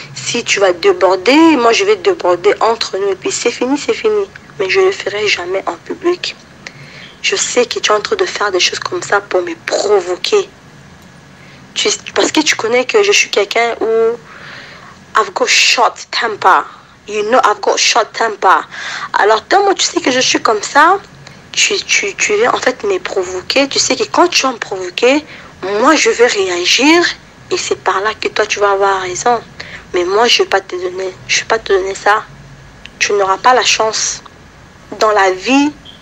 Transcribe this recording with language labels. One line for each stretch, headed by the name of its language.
French: Si tu vas déborder, moi je vais déborder entre nous. Et puis c'est fini, c'est fini. Mais je ne le ferai jamais en public. Je sais que tu es en train de faire des choses comme ça pour me provoquer. Parce que tu connais que je suis quelqu'un où
English: I've got short temper. You know, I've got short temper.
French: Alors, toi, moi, tu sais que je suis comme ça. Tu viens, en fait, me provoquer. Tu sais que quand tu vas me provoquer, moi, je vais réagir. Et c'est par là que toi, tu vas avoir raison. Mais moi, je ne vais pas te donner. Je ne vais pas te donner ça. Tu n'auras pas la chance. Dans la vie,